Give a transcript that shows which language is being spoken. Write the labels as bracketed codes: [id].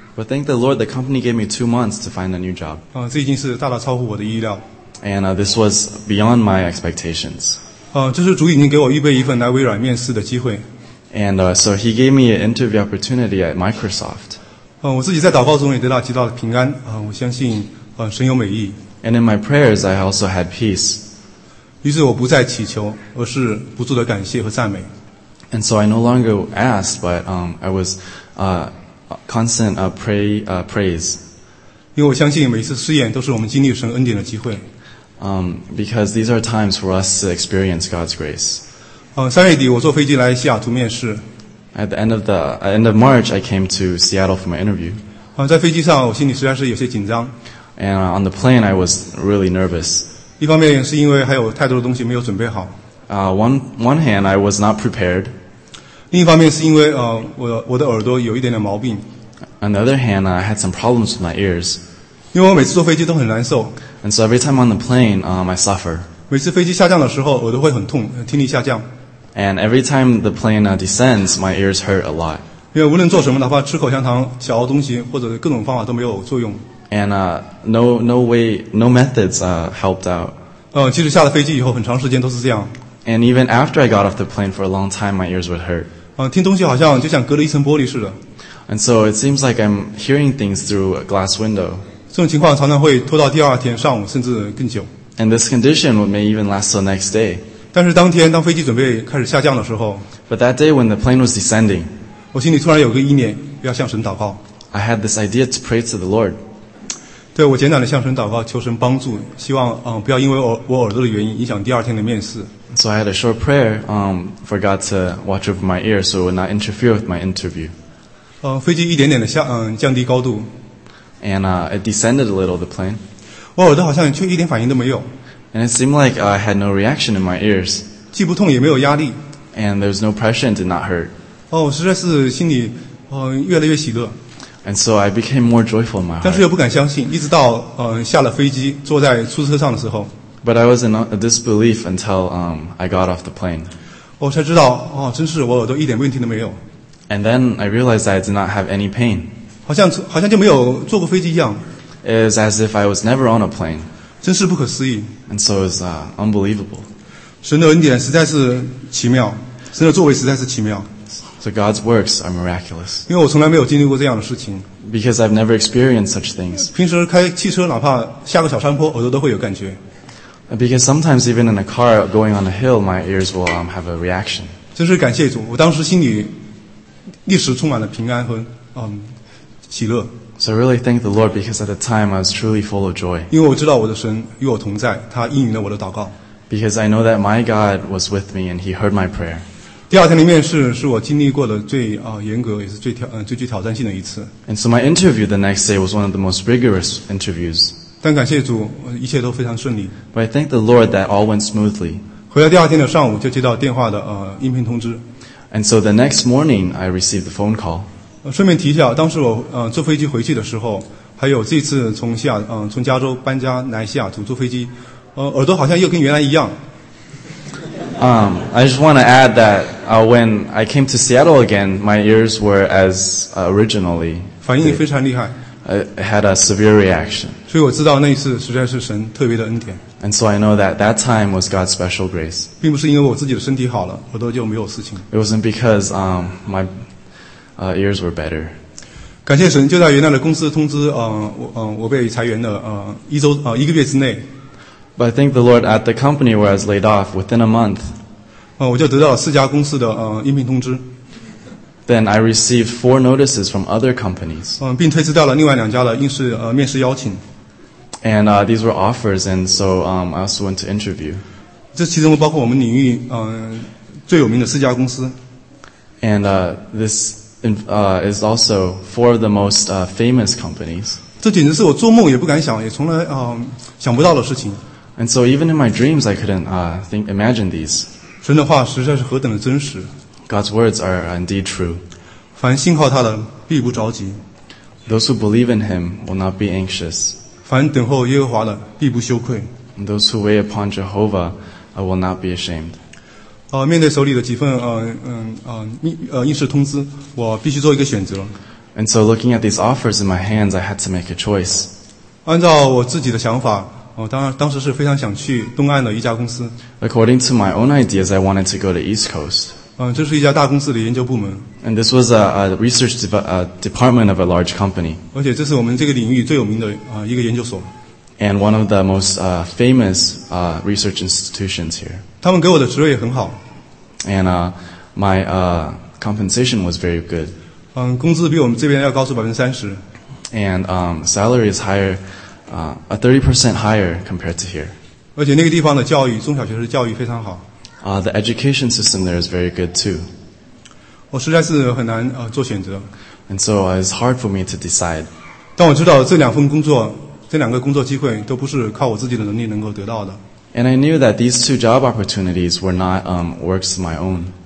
[en] But thank the Lord, the company gave me 2 months to find a new job. [zh] 这已经是大大超乎我的意料。 [en] And this was beyond my expectations. [zh] 这是主已经给我预备一份来微软面试的机会。 [en] And so he gave me an interview opportunity at Microsoft. [zh] 我自己在祷告中也得到极大的平安，我相信神有美意。 [en] And in my prayers, I also had peace. [zh] 于是我不再祈求，而是不住的感谢和赞美。 [en] And so I no longer asked, but I was constant praise. [zh] 因为我相信每次试验都是我们经历神恩典的机会。 [en] Because these are times for us to experience God's grace. [zh] 三月底我坐飞机来西雅图面试。 [en] At the end of March, I came to Seattle for my interview. [zh] 在飞机上我心里实在是有些紧张。 [en] And on the plane, I was really nervous. [zh] 一方面是因为还有太多的东西没有准备好。 [en] One hand, I was not prepared. [zh] 另一方面是因为我的耳朵有一点点毛病。 [en] On the other hand, I had some problems with my ears. [zh] 因为我每次坐飞机都很难受。 [en] And so every time on the plane, I suffer. [zh] 每次飞机下降的时候，耳朵会很痛，听力下降。 [en] And every time the plane descends, my ears hurt a lot. [zh] 因为无论做什么，哪怕吃口香糖、嚼东西，或者各种方法都没有作用。 [en] And no methods helped out. [zh] 即使下了飞机以后，很长时间都是这样。 [en] And even after I got off the plane for a long time, my ears would hurt. [zh] 听东西好像就像隔了一层玻璃似的。 [en] And so it seems like I'm hearing things through a glass window. [zh] 这种情况常常会拖到第二天上午，甚至更久。 [en] And this condition may even last till next day. [zh] 但是当天，当飞机准备开始下降的时候 [en] ，But that day when the plane was descending, [zh] 我心里突然有个意念，要向神祷告。 [en] I had this idea to pray to the Lord. [zh] 对，我简短的向神祷告，求神帮助，希望不要因为我耳朵的原因影响第二天的面试。 [en] So I had a short prayer for God to watch over my ear so it would not interfere with my interview. [zh] 飞机一点点的降低高度。 [en] And it descended a little, the plane. [zh] 我耳朵好像却一点反应都没有。 [en] And it seemed like I had no reaction in my ears. [zh] 既不痛也没有压力。 [en] And there was no pressure and did not hurt. [zh] 我实在是心里越来越喜乐。 [en] And so I became more joyful in my heart. [zh] 但是又不敢相信，一直到下了飞机坐在出租车上的时候。 [en] But I was in a disbelief until I got off the plane. [zh] 我才知道真是我耳朵一点问题都没有。 [en] And then I realized that I did not have any pain. [zh] 好像就没有坐过飞机一样。 [en] It was as if I was never on a plane. [zh] 真是不可思议。 [en] And so it was unbelievable. [zh] 神的恩典实在是奇妙，神的作为实在是奇妙。 [en] So God's works are miraculous. [zh] 因为我从来没有经历过这样的事情。 [en] Because I've never experienced such things. [zh] 平时开汽车，哪怕下个小山坡，耳朵都会有感觉。 [en] Because sometimes even in a car going on a hill, my ears will have a reaction. [zh] 真是感谢主，我当时心里一时充满了平安和喜乐。 [en] So I really thank the Lord because at the time I was truly full of joy. [zh] 因为我知道我的神与我同在，他应允了我的祷告。 [en] Because I know that my God was with me and He heard my prayer. [zh] 第二天的面试是我经历过的最严格也是最具挑战性的一次。 [en] And so my interview the next day was one of the most rigorous interviews. [zh] 但感谢主，一切都非常顺利。 [en] But I thank the Lord that all went smoothly. [zh] 回来第二天的上午就接到电话的音频通知。 [en] And so the next morning, I received the phone call. [zh] 顺便提一下，当时我坐飞机回去的时候，还有这次从加州搬家来西雅图坐飞机，耳朵好像又跟原来一样。 [en] I just want to add that when I came to Seattle again, my ears were as originally. [zh] 反应非常厉害。 [en] I had a severe reaction. [zh] 所以我知道那一次实在是神特别的恩典。 [en] And so I know that that time was God's special grace. [zh] 并不是因为我自己的身体好了，耳朵就没有事情。 [en] It wasn't because my ears were better. [zh] 感谢神，就在原来的公司通知我被裁员的一个月之内。 [en] But I thank the Lord at the company where I was laid off within a month. [zh] 我就得到四家公司的应聘通知。 [en] Then I received 4 notices from other companies. [zh] 并推迟掉了另外两家的面试邀请。 [en] And these were offers, and so I also went to interview. [zh] 这其中包括我们领域最有名的四家公司。 [en] And this is also 4 of the most famous companies. [zh] 这简直是我做梦也不敢想，也从来想不到的事情。 [en] And so even in my dreams, I couldn't imagine these. [zh] 神的话实在是何等的真实。 [en] God's words are indeed true. [zh] 凡信靠他的必不着急。 [en] Those who believe in him will not be anxious. [zh] 凡等候耶和华的必不羞愧。 [en] Those who wait upon Jehovah will not be ashamed. [zh] 面对手里的几份应试通知，我必须做一个选择。 [en] And so looking at these offers in my hands, I had to make a choice. [zh] 按照我自己的想法，当时是非常想去东岸的一家公司。 [en] According to my own ideas, I wanted to go to East Coast. [zh] 这是一家大公司的研究部门。 [en] And this was a research department of a large company. [zh] 而且这是我们这个领域最有名的一个研究所。 [en] And one of the most famous research institutions here. [zh] 他们给我的职位也很好。 [en] And my compensation was very good. [zh] 工资比我们这边要高出30%。 [en] And salary is higher, a 30% higher compared to here. [zh] 而且那个地方的教育，中小学的教育非常好。 [en] The education system there is very good too. [zh] 我实在是很难做选择。 [en] And so it's hard for me to decide. [zh] 但我知道这两份工作。这两个工作机会都不是靠我自己的能力能够得到的。 [en] And I knew that these two job opportunities were not works of my own.